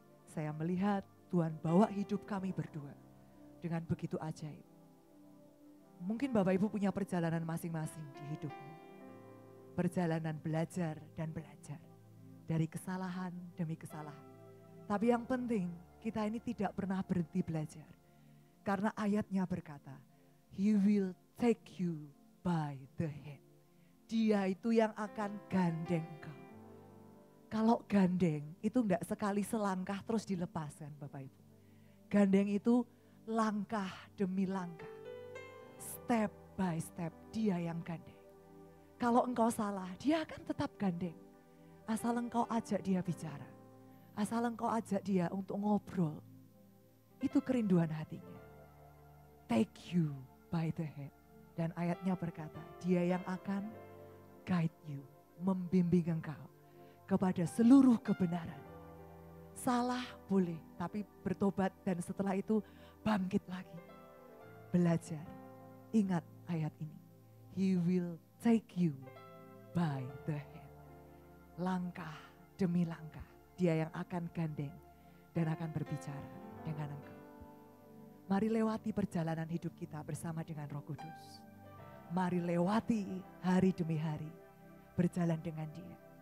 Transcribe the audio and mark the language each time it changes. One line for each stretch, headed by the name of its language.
Indonesian: Saya melihat Tuhan bawa hidup kami berdua dengan begitu ajaib. Mungkin Bapak Ibu punya perjalanan masing-masing di hidupmu. Perjalanan belajar dan belajar. Dari kesalahan demi kesalahan. Tapi yang penting kita ini tidak pernah berhenti belajar. Karena ayatnya berkata,
English: He will take you by the hand.
Indonesian: Dia itu yang akan gandeng kau. Kalau gandeng itu enggak sekali selangkah terus dilepaskan Bapak Ibu. Gandeng itu langkah demi langkah.
English: Step by step,
Indonesian: dia yang gandeng. Kalau engkau salah, dia akan tetap gandeng. Asal engkau ajak dia bicara. Asal engkau ajak dia untuk ngobrol. Itu kerinduan hatinya.
English: Take you by the head.
Indonesian: Dan ayatnya berkata, dia yang akan
English: guide you,
Indonesian: membimbing engkau kepada seluruh kebenaran. Salah boleh, tapi bertobat dan setelah itu bangkit lagi. Belajar. Ingat ayat ini,
English: He will take you by the hand.
Indonesian: Langkah demi langkah, Dia yang akan gandeng dan akan berbicara dengan engkau. Mari lewati perjalanan hidup kita bersama dengan Roh Kudus. mari lewati hari demi hari berjalan dengan Dia.